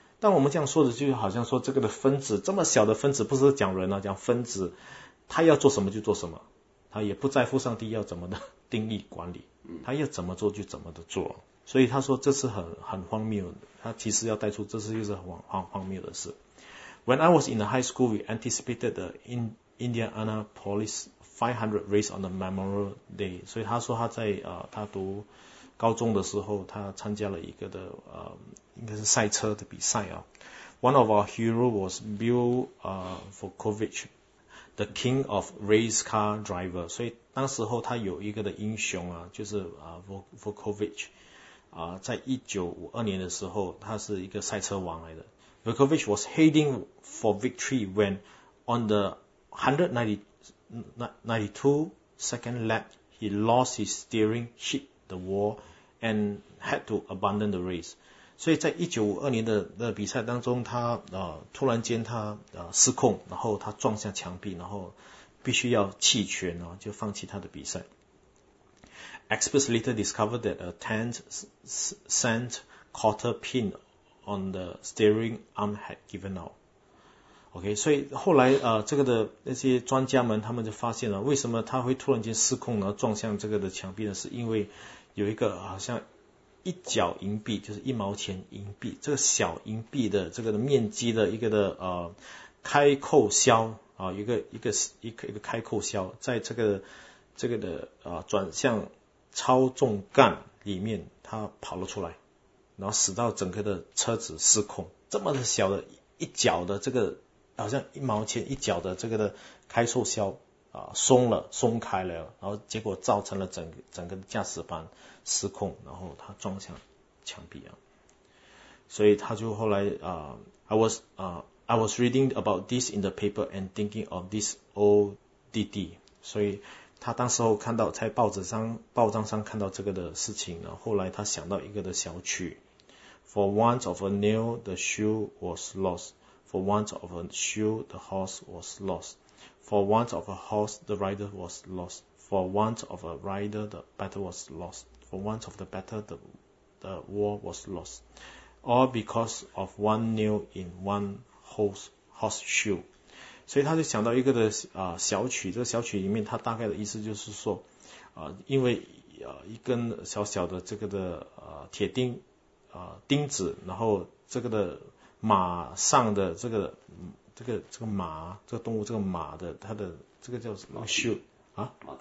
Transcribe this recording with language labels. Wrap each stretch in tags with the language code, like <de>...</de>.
<zh>但我们这样说的就好像说这个的分子，这么小的分子，不是讲人啊，讲分子，他要做什么就做什么，他也不在乎上帝要怎么的定义管理，他要怎么做就怎么的做。所以他说这是很荒谬，他其实要带出这是就是很荒谬的事。</zh> <en>When I was in the high school, we anticipated the Indianapolis 500 race on the Memorial Day.</en> <zh>所以他说他在他读高中的时候，他参加了一个的应该是赛车的比赛啊。</zh> <en>One of our heroes was Bill Vukovich, the king of race car driver.</en> <zh>所以当时候他有一个的英雄啊，就是Vukovich, 在1952年的时候，他是一个赛车王来的。</zh> <en>Vukovich was heading for victory when on the 192nd lap, he lost his steering, hit the wall, and had to abandon the race.</en> <zh>所以在1952年 的比赛当中，他突然间他失控，然后他撞向墙壁，然后必须要弃权，就放弃他的比赛。</zh> <en>Experts later discovered that a 10-cent quarter pin on the steering arm had given out.</en> <zh>OK, 所以后来这个的那些专家们他们就发现了为什么他会突然间失控呢，撞向这个的墙壁呢，是因为有一个好像一角银币，就是一毛钱银币，这个小银币的这个的面积的一个的开扣销一个开扣销，在这个的转向操纵杆里面他跑了出来，然后使到整个的车子失控，这么的小的一角的这个好像一毛钱一角的这个的开售销松了，松开了，然后结果造成了整个驾驶盘失控，然后他撞向墙壁啊。所以他就后来</zh> <en>I was reading about this in the paper and thinking of this old DD.</en> <zh>所以他当时候看到在报章上看到这个的事情，然后后来他想到一个的小曲。</zh> <en>For want of a nail, the shoe was lost. For want of a shoe, the horse was lost. For want of a horse, the rider was lost. For want of a rider, the battle was lost. For want of the battle, the war was lost. All because of one nail in one horse shoe.</en> <zh>所以他就想到一个的小曲，这个小曲里面他大概的意思就是说，因为一根小小的这个的铁钉。钉子，然后这个的马上的这个马，这个动物，这个马的它的这个叫什么 shoe 啊？</zh>